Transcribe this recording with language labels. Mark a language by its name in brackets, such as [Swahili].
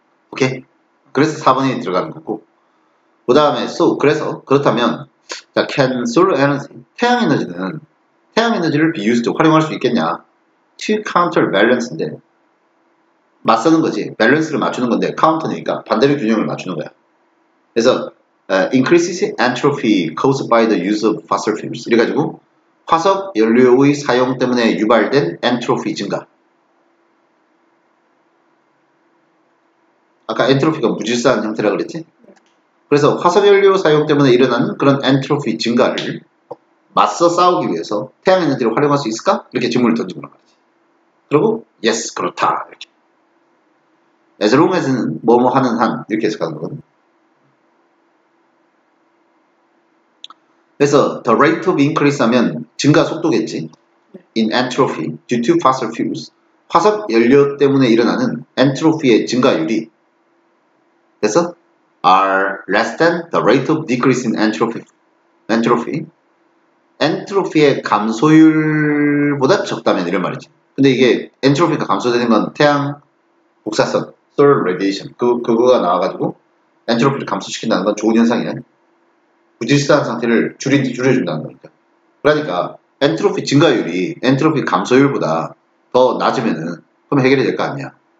[Korean] 오케이. 그래서 4번이 들어가는 거고. 그 다음에, so, 그래서, 그렇다면, [English] can solar energy, [Korean] 태양에너지는, 태양에너지를 [English] be used, [Korean] 활용할 수 있겠냐? [English] to counter balance인데, [Korean] 맞서는 거지. 밸런스를 맞추는 건데, counter니까 반대로 균형을 맞추는 거야. 그래서, [English] increases entropy caused by the use of fossil fuels. [Korean] 이래가지고, 화석 연료의 사용 때문에 유발된 entropy 증가. 아까 엔트로피가 무질서한 형태라고 그랬지? 그래서 화석연료 사용 때문에 일어나는 그런 엔트로피 증가를 맞서 싸우기 위해서 태양에너지를 활용할 수 있을까? 이렇게 질문을 던지고 나가지. 그리고 yes, 그렇다. 이렇게. [English] As long as [Korean] 뭐뭐 하는 한 이렇게 해석하는 거거든. 그래서 [English] the rate of increase [Korean] 하면 증가 속도겠지? [English] in entropy due to fossil fuels [Korean] 화석연료 때문에 일어나는 엔트로피의 증가율이 그래서 [English] are less than the rate of decrease in entropy. entropy. [Korean] 엔트로피의 감소율보다 적다면 이런 말이지. 근데 이게 엔트로피가 감소되는 건 태양 복사선, [English] solar radiation [Korean] 그거가 나와가지고 엔트로피를 감소시킨다는 건 좋은 현상이야. 무질서한 상태를 줄여준다는 거니까. 그러니까 엔트로피 증가율이 엔트로피 감소율보다 더 낮으면은 그럼 해결이 될 거 아니야.